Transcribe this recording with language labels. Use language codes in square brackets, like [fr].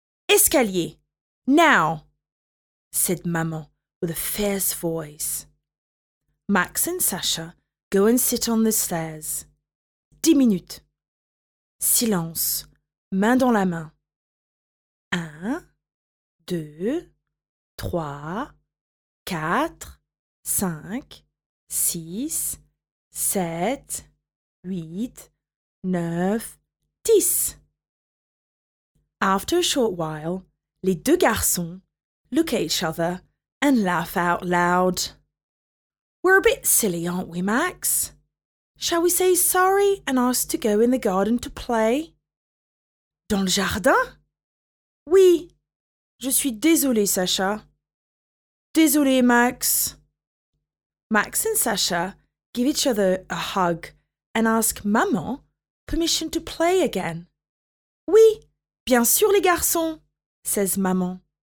[en] Escalier, now, said maman with a fierce voice. Max and Sasha go and sit on the stairs. 10 minutes. [fr] Silence, main dans la main. [en] 1, 2, 3, 4, 5, 6, 7, 8, 9, 10. After a short while, [fr] les deux garçons [en] look at each other and laugh out loud. We're a bit silly, aren't we, Max? Shall we say sorry and ask to go in the garden to play? [fr] Dans le jardin? Oui. Je suis désolée, Sasha. Désolée, Max. [en] Max and Sasha give each other a hug and ask maman permission to play again. [fr] Oui, bien sûr, les garçons, [en] says [fr] maman.